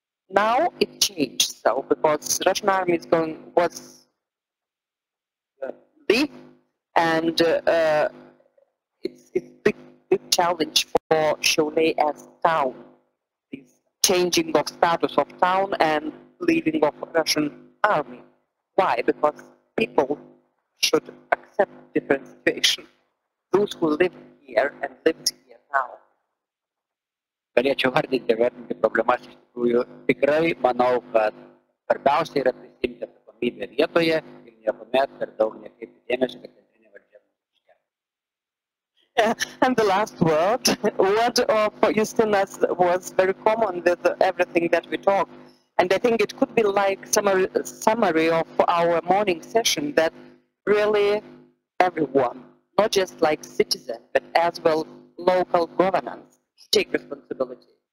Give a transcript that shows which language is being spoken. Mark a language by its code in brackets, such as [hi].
[en] Now it changed, so because Russian army is going was deep, and it's big challenge for Šiauliai as town. This changing of status of town and leaving of Russian army. Why? Because people should accept different situation. Those who live here and lived here now. [lt] Galėčiau vardinti problemas, iš tikrųjų tikrai manau, kad svarbiausia yra prisimti atsakomybę vietoje ir niekuomet per daug nekreipti dėmesio, kad centrinė valdžia neiškelia. [en] And the last word, word of Justinas was very common with everything that we talked. And I think it could be like summary of our morning session, that really everyone, not just like citizen, but as well local governance, take responsibility.